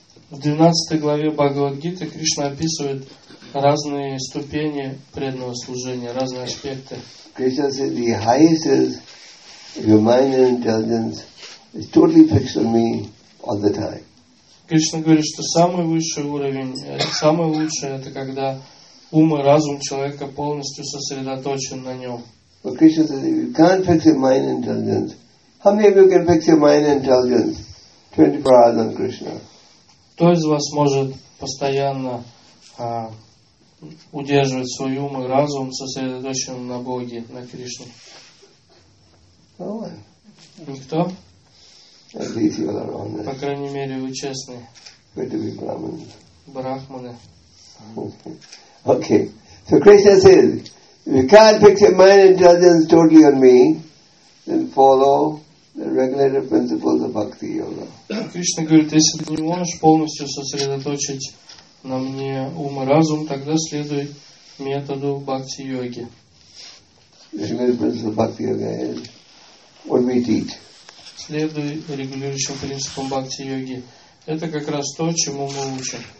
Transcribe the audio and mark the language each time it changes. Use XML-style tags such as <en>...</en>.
<ru>В 12 главе Бхагавад-гиты Кришна описывает разные ступени преданного служения, разные аспекты.</ru> <en>Krishna says the highest human intelligence is totally fixed on me all the time.</en> <ru>Кришна говорит, что самый высший уровень, самое лучшее, это когда ум и разум человека полностью сосредоточен на нем.</ru> <en>But Krishna says, if you can't fix your mind intelligence, how many of you can fix your mind intelligence 24 hours on Krishna?</en> <ru>Кто из вас может постоянно удерживать свой ум и разум сосредоточенным на Боге, на Кришне?</ru> <en>No one.</en> <ru>Никто?</ru> <en>At least you are honest.</en> <ru>По крайней мере, вы честны.</ru> <en>Good to be Brahman.</en> <ru>Брахманы.</ru> <en>Okay. So Krishna says, if you can't fix your mind intelligence totally on me, then follow the regulative principles of bhakti yoga.</en> <ru>Кришна говорит, если ты не можешь полностью сосредоточить на мне ум и разум, тогда следуй методу бхакти йоги.</ru> <en>The regulative principle of bhakti yoga is what we teach.</en> <ru>Следуй регулирующим принципам бхакти йоги. Это как раз то, чему мы учим.</ru>